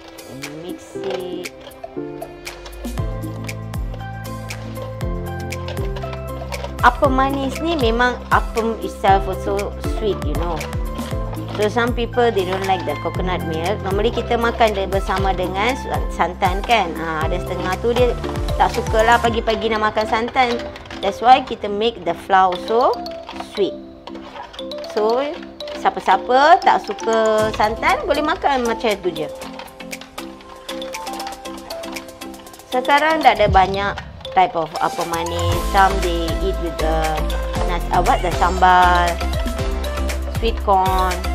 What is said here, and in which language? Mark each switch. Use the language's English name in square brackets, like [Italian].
[English] And mix it. [Malay] Apa manis ni memang apem [English] itself also sweet, you know. So some people they don't like the coconut milk. [Malay] Normally kita makan dia bersama dengan santan kan. Ada setengah tu dia tak sukalah pagi-pagi nak makan santan. [English] That's why [Malay] kita [English] make the flour so sweet. [Malay] So siapa-siapa tak suka santan boleh makan macam tu je. Sekarang dah ada banyak [English] type of [Malay] apa manis. [English] Some they eat with the nasi, what, the sambal, sweet corn.